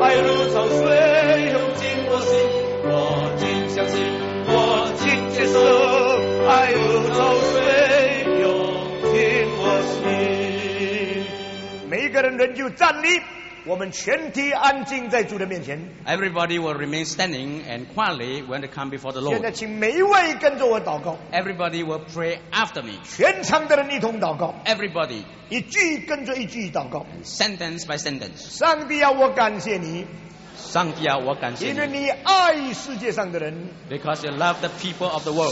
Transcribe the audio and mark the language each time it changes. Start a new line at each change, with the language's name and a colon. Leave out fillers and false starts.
Chinese: 爱如潮水涌进我心我尽相信我尽接受爱如潮水涌进我心每一个人仍旧站立我们全体安静在主的面前
English: Everybody will remain standing and quietly when they come before the Lord
Chinese: 现在请每一位跟着我祷告
English: Everybody will pray after me
Chinese: 全场的人一同祷告
English: Everybody
Chinese: 一句跟着一句祷告
English: Sentence by sentence
Chinese: 上帝啊我感谢你上帝啊我感谢你因为你爱世界上的人
English: Because you love the people of the world